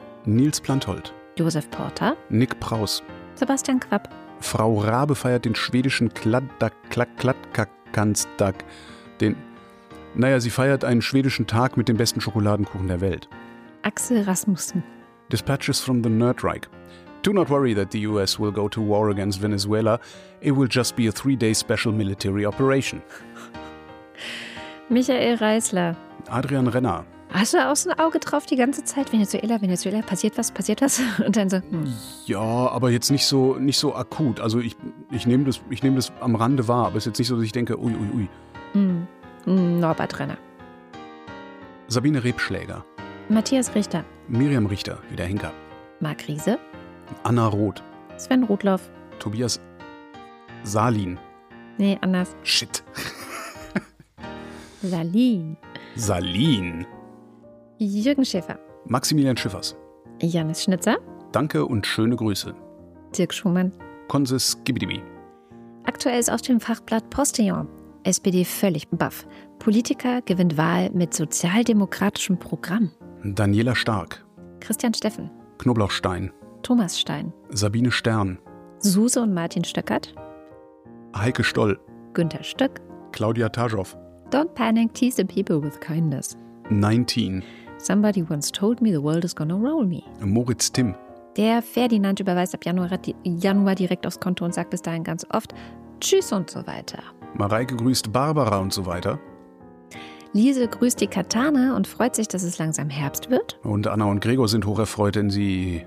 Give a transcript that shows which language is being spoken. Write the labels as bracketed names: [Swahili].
[German] Nils Plantholt. Josef Porter. Nick Praus. Sebastian Krapp. Frau Rabe feiert den schwedischen Kladdak-Kladdak-Kanzdak. Sie feiert einen schwedischen Tag mit dem besten Schokoladenkuchen der Welt. Axel Rasmussen. [English] Dispatches from the Nerdreich. Do not worry that the US will go to war against Venezuela. It will just be a 3-day special military operation. [German] Michael Reisler. Adrian Renner. Hast du da aus dem Auge drauf die ganze Zeit? Venezuela, Venezuela, passiert was? Und dann so. Ja, aber jetzt nicht so akut. Also ich nehme das am Rande wahr, aber es ist jetzt nicht so, dass ich denke, ui, ui, ui. Norbert Renner. Sabine Rebschläger. Matthias Richter. Miriam Richter, wieder Henker. Marc Riese. Anna Roth. Sven Rotloff. Tobias Salin. Nee, anders. Shit. Salin. Jürgen Schäfer. Maximilian Schiffers. Janis Schnitzer. Danke und schöne Grüße. Dirk Schumann. Konsis Gibidibi. Aktuell ist aus dem Fachblatt Postillon. SPD völlig baff. Politiker gewinnt Wahl mit sozialdemokratischem Programm. Daniela Stark. Christian Steffen. Knoblauchstein. Thomas Stein. Sabine Stern. Suse und Martin Stöckert. Heike Stoll. Günther Stück. Claudia Tajov. [English] Don't panic, tease the people with kindness. [German] 19. [English] Somebody once told me the world is gonna roll me. [German] Moritz Timm. Der Ferdinand überweist ab Januar direkt aufs Konto und sagt bis dahin ganz oft Tschüss und so weiter. Mareike grüßt Barbara und so weiter. Lise grüßt die Katane und freut sich, dass es langsam Herbst wird. Und Anna und Gregor sind hocherfreut, denn sie